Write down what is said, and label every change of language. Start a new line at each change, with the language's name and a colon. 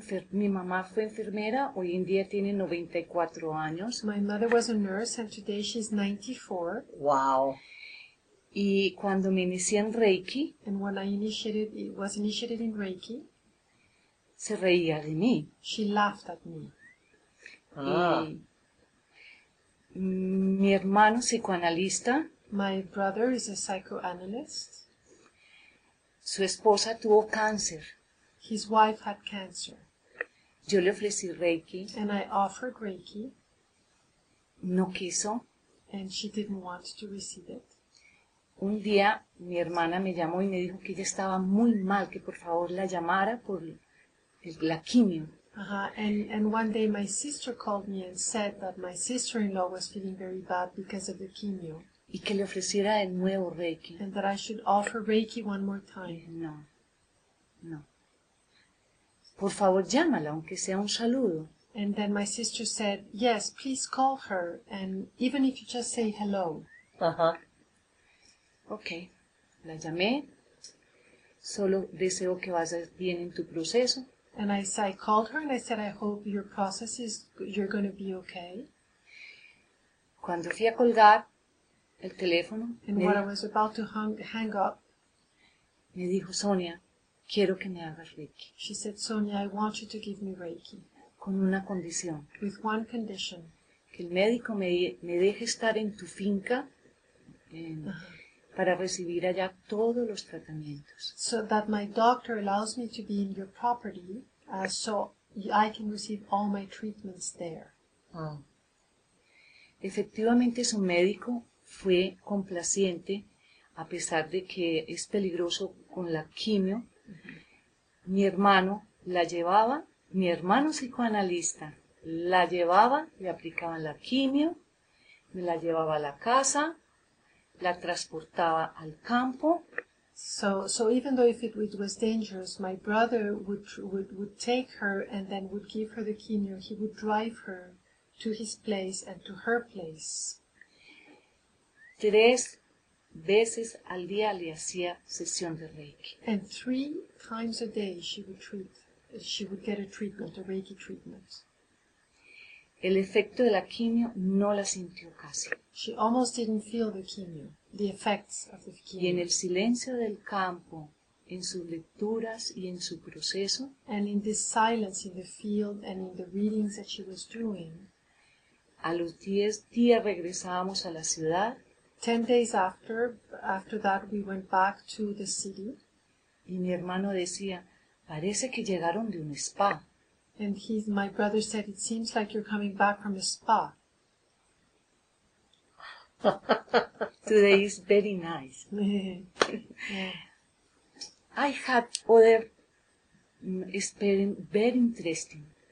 Spanish: Mi mamá fue enfermera, hoy en día tiene 94 años.
English: My mother was a nurse and today she's 94. Wow.
Spanish: Y cuando me inicié en Reiki,
English: and when I was initiated in Reiki,
Spanish: se reía de mí.
English: She laughed at me.
Spanish: Y mi hermano psicoanalista,
English: my brother is a psychoanalyst,
Spanish: su esposa tuvo cáncer.
English: His wife had cancer.
Spanish: Yo le ofrecí Reiki.
English: And I offered Reiki.
Spanish: No quiso.
English: And she didn't want to receive it.
Spanish: Un día mi hermana me llamó y me dijo que ella estaba muy mal, que por favor la llamara por la quimio. Uh-huh.
English: And one day my sister called me and said that my sister-in-law was feeling very bad because of the quimio.
Spanish: Y que le ofreciera de nuevo Reiki.
English: And that I should offer Reiki one more time.
Spanish: No. No. Por favor, llámala, aunque sea un saludo.
English: And then my sister said, yes, please call her, and even if you just say hello. Uh-huh.
Spanish: Okay. La llamé. Solo deseo que vayas bien en tu proceso.
English: And I called her and I said, I hope your process is, you're going to be okay.
Spanish: Cuando fui a colgar el teléfono,
English: and when I was about to hang up,
Spanish: me dijo Sonia, quiero que me hagas Reiki.
English: She said, Sonia, I want you to give me Reiki.
Spanish: Con una condición.
English: With one condition.
Spanish: Que el médico me deje estar en tu finca para recibir allá todos los tratamientos.
English: So that my doctor allows me to be in your property so I can receive all my treatments there. Oh.
Spanish: Efectivamente, su médico fue complaciente a pesar de que es peligroso con la quimio. Mi hermano la llevaba, mi hermano psicoanalista la llevaba, le aplicaban la quimio, me la llevaba a la casa, la transportaba al campo.
English: So even though if it was dangerous, my brother would take her and then would give her the quinoa. He would drive her to his place and to her place.
Spanish: 3 veces al día le hacía sesión de Reiki.
English: And 3 times a day she would get a Reiki treatment.
Spanish: El efecto de la quimio no la sintió casi.
English: She almost didn't feel the quimio, the effects of the quimio.
Spanish: Y en el silencio del campo, en sus lecturas y en su proceso,
English: and in the silence in the field and in the readings that she was doing,
Spanish: a los 10 días regresábamos a la ciudad.
English: 10 days after that we went back to the city.
Spanish: Y mi hermano decía, parece que llegaron de un spa.
English: And my brother said, it seems like you're coming back from a spa. Today is very nice. Yeah. I had other experience very interesting.